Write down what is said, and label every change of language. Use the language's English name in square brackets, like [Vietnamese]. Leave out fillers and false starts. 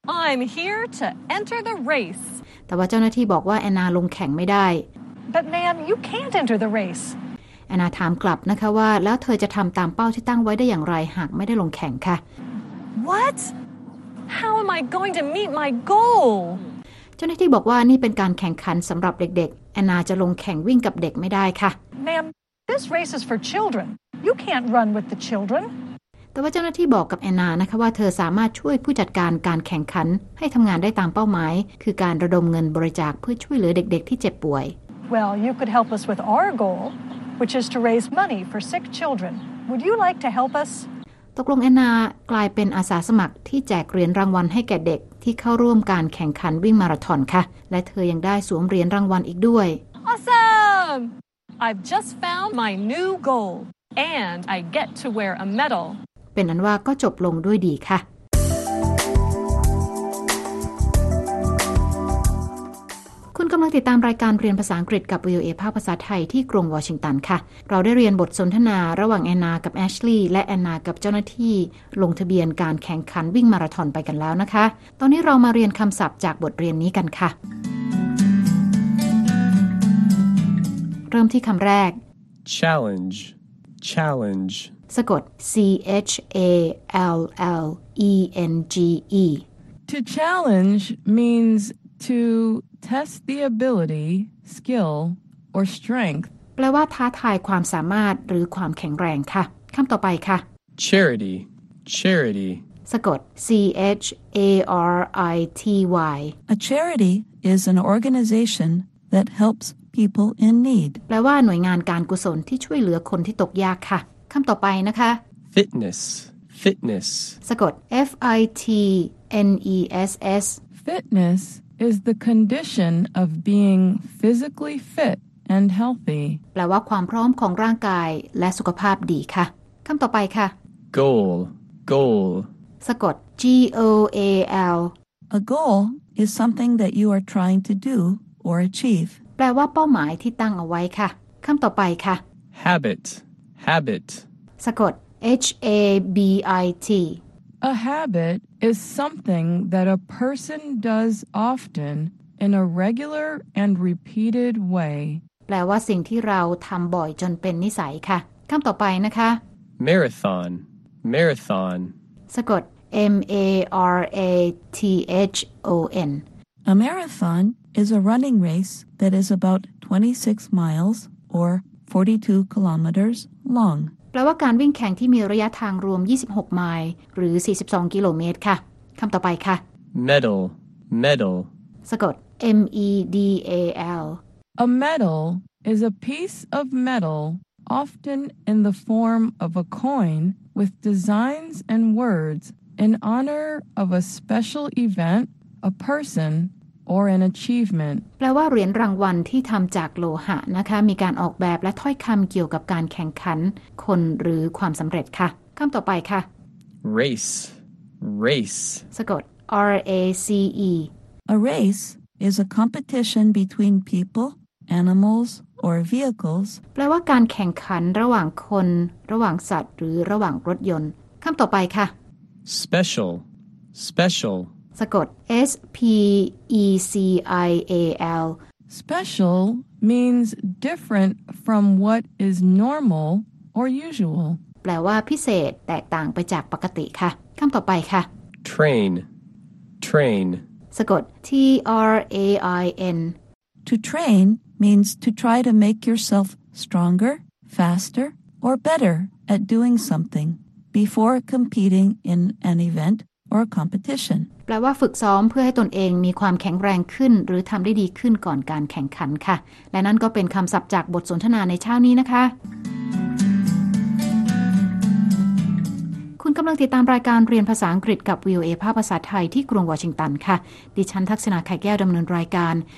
[English] I'm here to enter the race. [Thai] แต่ว่าเจ้าหน้าที่บอกว่า Anna ลงแข่งไม่ได้ [English] But ma'am, you can't enter the race. [Thai] Anna ถามกลับนะคะว่าแล้วเธอจะทำตามเป้าที่ตั้งไว้ได้อย่างไรหากไม่ได้ลงแข่งค่ะ [English] What? How am I going to meet my goal? [Thai] เจ้าหน้าที่บอกว่านี่เป็นการแข่งขันสำหรับเด็กๆ Anna จะลงแข่งวิ่งกับเด็กไม่ได้ค่ะ [English] Ma'am, this race is for children. You can't run with the children. [Thai] แต่ว่าเจ้าหน้าที่บอกกับ Anna นะคะว่าเธอสามารถช่วยผู้จัดการการแข่งขันให้ทำงานได้ตามเป้าหมายคือการระดมเงินบริจาคเพื่อช่วยเหลือเด็กๆที่เจ็บป่วย [English] Well, you could help us with our goal, which is to raise money for sick children. Would you like to help us? [Thai] ตกลงแอนนากลายเป็นอาสาสมัครที่แจกเหรียญรางวัลให้แก่เด็กที่เข้าร่วมการแข่งขันวิ่งมาราธอนค่ะและเธอยังได้สวมเหรียญรางวัลอีกด้วย [English] Awesome! I've just found my new goal and I get to wear a medal [Thai] เป็นอันว่าก็จบลงด้วยดีค่ะคุณกำลังติดตามรายการเรียนภาษาอังกฤษกับ VOA ภาคภาษาไทยที่กรุงวอชิงตันค่ะเราได้เรียนบทสนทนาระหว่างแอนนากับแอชลีย์และแอนนากับเจ้าหน้าที่ลงทะเบียนการแข่งขันวิ่งมาราธอนไปกันแล้วนะคะตอนนี้เรามาเรียนคำศัพท์จากบทเรียนนี้กันค่ะเริ่มที่คำแรก [English] challenge challenge [Thai] สะกด challenge [English] to challenge means toTest the ability, skill, or strength. [Thai] แปลว่าท้าทายความสามารถหรือความแข็งแรงค่ะคำต่อไปค่ะ [English] Charity, charity. [Thai] สะกด charity. [English] A charity is an organization that helps people in need. [Thai] แปลว่าหน่วยงานการกุศลที่ช่วยเหลือคนที่ตกยากค่ะคำต่อไปนะคะ [English] Fitness, fitness. [Thai] สะกด fitness. [English] Fitness. Is the condition of being physically fit and healthy. [Thai] แปลว่าความพร้อมของร่างกายและสุขภาพดีค่ะคำต่อไปค่ะ [English] Goal. Goal. [Thai] สะกด G-O-A-L. [English] A goal is something that you are trying to do or achieve. [Thai] แปลว่าเป้าหมายที่ตั้งเอาไว้ค่ะคำต่อไปค่ะ [English] Habit. Habit. [Thai] สะกด H-A-B-I-T. [English] A habit is something that a person does often in a regular and repeated way. [Thai] แปลว่าสิ่งที่เราทำบ่อยจนเป็นนิสัยค่ะคำต่อไปนะคะ [English] Marathon. Marathon. [Thai] สะกด M-A-R-A-T-H-O-N. [English] A marathon is a running race that is about 26 miles or 42 kilometers long. [Thai] แปลว่าการวิ่งแข่งที่มีระยะทางรวม26ไมล์หรือ42กิโลเมตรค่ะคำต่อไปค่ะ [English] medal medal [Thai] สะกด m e d a l [English] a medal is a piece of metal often in the form of a coin with designs and words in honor of a special event a person or an achievement [Thai] แปลว่าเหรียญรางวัลที่ทำจากโลหะนะคะมีการออกแบบและถ้อยคำเกี่ยวกับการแข่งขันคนหรือความสำเร็จค่ะคำต่อไปค่ะ [English] race race [Thai] สะกด r a c e [English] a race is a competition between people animals or vehicles [Thai] แปลว่าการแข่งขันระหว่างคนระหว่างสัตว์หรือระหว่างรถยนต์คำต่อไปค่ะ [English] special special [Thai] สะกด S-P-E-C-I-A-L [English] Special means different from what is normal or usual [Thai] แปลว่าพิเศษแตกต่างไปจากปกติค่ะคำต่อไปค่ะ [English] Train Train [Thai] สะกด T-R-A-I-N [English] To train means to try to make yourself stronger, faster, or better at doing something before competing in an eventor competition [Thai] แปลว่าฝึกซ้อมเพื่อให้ตนเองมีความแข็งแรงขึ้นหรือทำได้ดีขึ้นก่อนการแข่งขันค่ะและนั่นก็เป็นคำศัพท์จากบทสนทนาในเช้านี้นะคะคุณกำลังติดตามรายการเรียนภาษาอังกฤษกับ VOA ภาคภาษาไทยที่กรุงวอชิงตันค่ะดิฉันทักษณาไข่แก้วดำเนินรายการ